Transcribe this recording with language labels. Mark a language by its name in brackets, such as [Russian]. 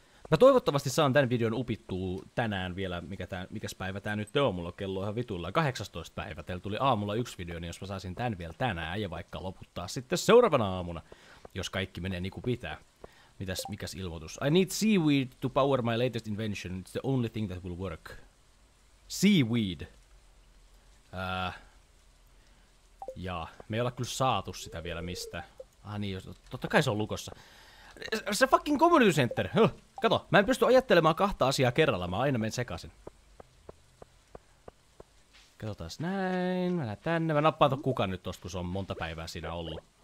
[Finnish] Mä toivottavasti saan tän videon upittua tänään vielä, mikäs päivä tää nyt on, mulla kello on ihan vitulla 18 päivä. Teillä tuli aamulla yksi video, niin jos mä saisin tän vielä tänään ja vaikka loputtaa sitten seuraavana aamuna, jos kaikki menee niinku pitää. Mikäs ilmoitus? [English] I need seaweed to power my latest invention. It's the only thing that will work. Seaweed. [Finnish] Ja me ei olla kyllä saatu sitä vielä mistä. Ah niin, totta kai se on lukossa. Se [English] fucking community center! [Finnish] Kato, mä en pysty ajattelemaan kahta asiaa kerralla, mä aina menen sekaisin. Katsotaas näin, mä lähden tänne, mä nappaan ton kukan nyt tosta, kun se on monta päivää siinä ollut.